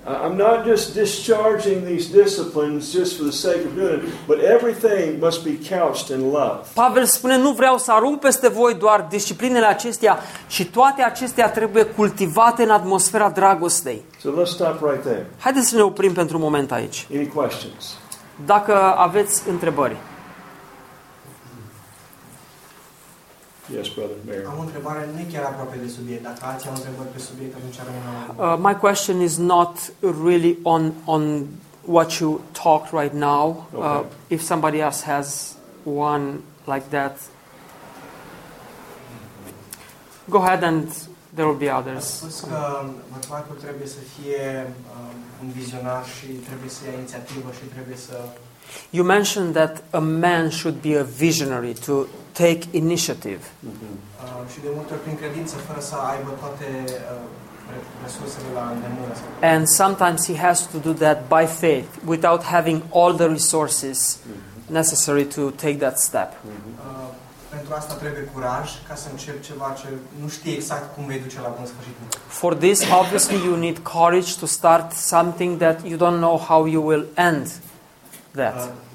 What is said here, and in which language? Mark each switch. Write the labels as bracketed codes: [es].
[en] I'm not just discharging these disciplines just for the sake of doing it, but everything must be couched in love. [ro] Pavel spune, nu vreau să arunc peste voi doar disciplinele acestea, ci toate acestea trebuie cultivate în atmosfera dragostei. [en] So let's stop right there. [ro] Haideți să ne oprim pentru un moment aici. [en] Any questions? [ro] Dacă aveți întrebări. [en] Yes, brother Mary. [ro] Am o întrebare nu chiar aproape de subiect. Dacă alții au întrebări pe subiect, atunci are una. [en] My question is not really on what you talked right now. Okay. If somebody else has one like that, go ahead and there will be others. [ro] Că bărbatul trebuie să fie un vizionar și trebuie să ia inițiativă și trebuie să... [en] You mentioned that a man should be a visionary to take initiative. [ro] Și de multe ori prin credință fără să aibă toate resursele la îndemână. [en] And sometimes he has to do that by faith without having all the resources necessary to take that step. [ro] Pentru asta trebuie curaj ca să încep ceva ce nu știi exact cum vei duce la bun sfârșit. [en] For this obviously you need courage to start something that you don't know how you will end. That.